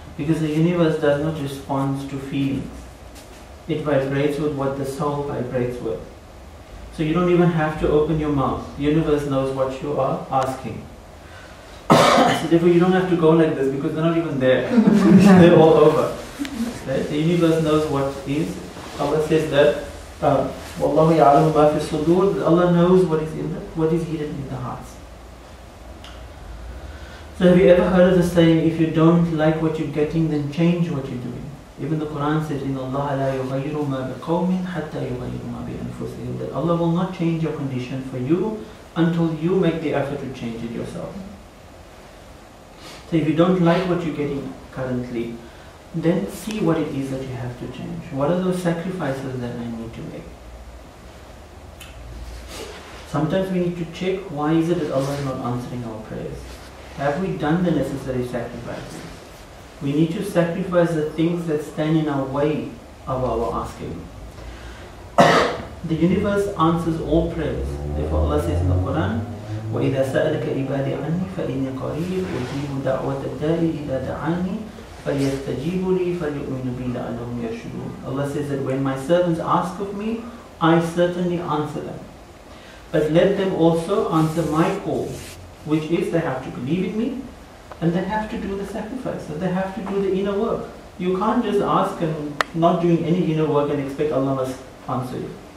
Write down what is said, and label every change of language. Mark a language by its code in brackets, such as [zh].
[en] Because the universe does not respond to feelings. It vibrates with what the soul vibrates with. So you don't even have to open your mouth. The universe knows what you are asking. So therefore you don't have to go like this, because they're not even there. They're all over. Right? The universe knows what is. Allah says that, [ar] وَاللَّهُ يَعْلَمُ مَا فِي الصُّدُورِ. [en] Allah knows what is in the, what is hidden in the hearts. So have you ever heard of the saying, if you don't like what you're getting, then change what you're doing? Even the Quran says, [ar] إِنَّ اللَّهَ لَا يُغَيِّرُ مَا بِقَوْمٍ حَتَّى يُغَيِّرُ مَا بِأَنفُسِهِمْ. [en] That Allah will not change your condition for you until you make the effort to change it yourself. So if you don't like what you're getting currently, then see what it is that you have to change. What are those sacrifices that I need to make? Sometimes we need to check, why is it that Allah is not answering our prayers? Have we done the necessary sacrifices? We need to sacrifice the things that stand in our way of our asking. The universe answers all prayers. Therefore Allah says in the Quran, [ar] وَإِذَا سَأَلَكَ عِبَادِي عَنِّي فَإِنِّي قَرِيبٌ أُجِيبُ دَعْوَةَ الدَّاعِ إِذَا دَعَانِي فَلْيَسْتَجِيبُوا لِي فَلْيُؤْمِنُوا بِي لَعَلَّهُمْ يَشْكُرُونَ. [en] Allah says that when my servants ask of me, I certainly answer them. But let them also answer my call, which is they have to believe in me and they have to do the sacrifice, they have to do the inner work. You can't just ask and not doing any inner work and expect Allah must answer you.